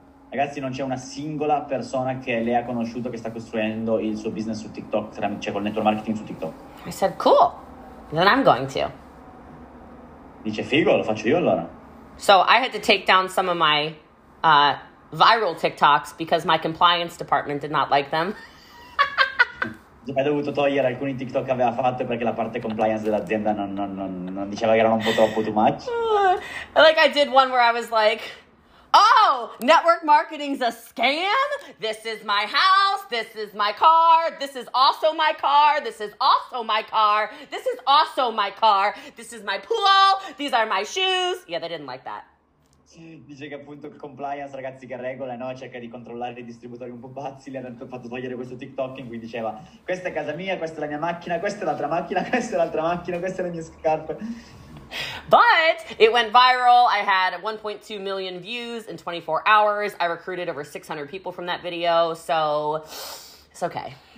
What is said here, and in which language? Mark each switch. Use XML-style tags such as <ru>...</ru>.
<it>Ragazzi, non c'è una singola persona che lei ha conosciuto che sta costruendo il suo business su TikTok, cioè col network marketing su TikTok.</it> <en>I said, cool. Then I'm going to.</en> <it>Dice, figo, lo faccio io allora.</it> <en>So I had to take down some of my viral TikToks because my compliance department did not like them.</en> <it>Ho dovuto togliere alcuni TikTok che aveva fatto perché la parte compliance dell'azienda non diceva che erano un po' troppo too much.</it> <en>Like I did one where I was like, oh, network marketing's a scam. This is my house. This is my car. This is also my car. This is also my car. This is also my car. This is my pool. These are my shoes. Yeah, they didn't like that.</en> <it>Dice che appunto compliance, ragazzi, che regola, no? Cerca di controllare i distributori un po' pazzi. Le hanno fatto togliere questo TikTok in cui diceva, questa è casa mia, questa è la mia macchina, questa è l'altra macchina, questa è l'altra macchina, queste sono le mie scarpe.</it> <en>But it went viral. I had 1.2 million views in 24 hours. I recruited over 600 people from that video, so it's okay.</en>